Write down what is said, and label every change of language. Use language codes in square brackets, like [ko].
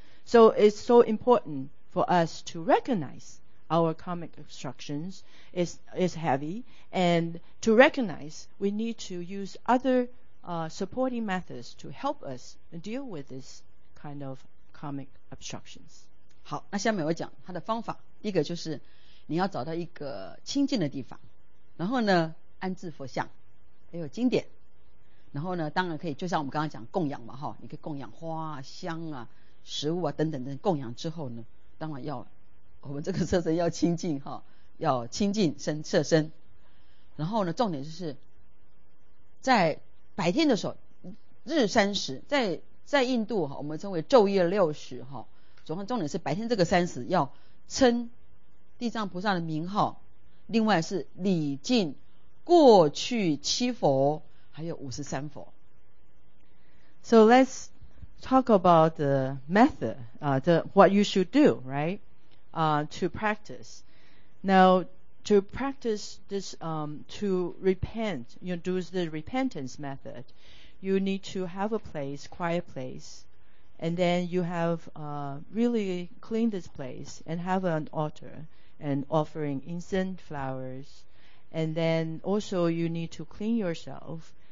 [en] So it's so important for us to recognize our karmic obstructions is heavy, and to recognize we need to use other supporting methods to help us deal with this kind of karmic obstructions. [zh] 好，那下面我讲它的方法。第一个就是你要找到一个清净的地方，然后呢安置佛像，还有经典，然后呢当然可以就像我们刚刚讲供养嘛，你可以供养花啊、香啊、食物啊等等等，供养之后呢当然要我们这个色身要清净，要清净身色身。然后呢重点就是在白天的时候日三时，在印度我们称为昼夜六时，总共重点是白天这个三时要称地藏菩萨的名号，另外是礼敬过去七佛还有五十三佛。 [en] So let's talk about the method what you should do, right? To practice. Now, to practice this, to repent, you know, do the repentance method, you need to have a place, quiet place, and then you have really clean this place and have an altar and offering incense, flowers, and then also you need to clean yourself.